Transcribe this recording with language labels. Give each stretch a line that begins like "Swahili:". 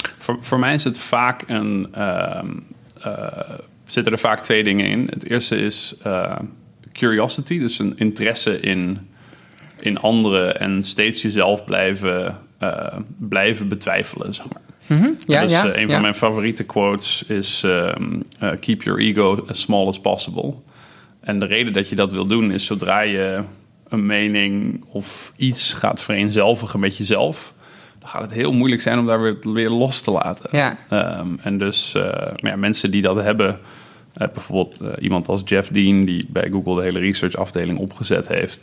Dutch: Voor mij is het vaak een... zitten er vaak twee dingen in. Het eerste is curiosity, dus een interesse in anderen en steeds jezelf blijven betwijfelen, zeg maar. Mm-hmm. Ja, dus een van mijn favoriete quotes is
English: keep your ego as small as possible.
Dutch: En de reden dat je dat wil doen is zodra je een mening of iets gaat vereenzelvigen met jezelf, dan gaat het heel moeilijk zijn om daar weer los te laten. Ja. En dus mensen die dat hebben, bijvoorbeeld iemand als Jeff Dean, die bij Google de hele research afdeling opgezet heeft.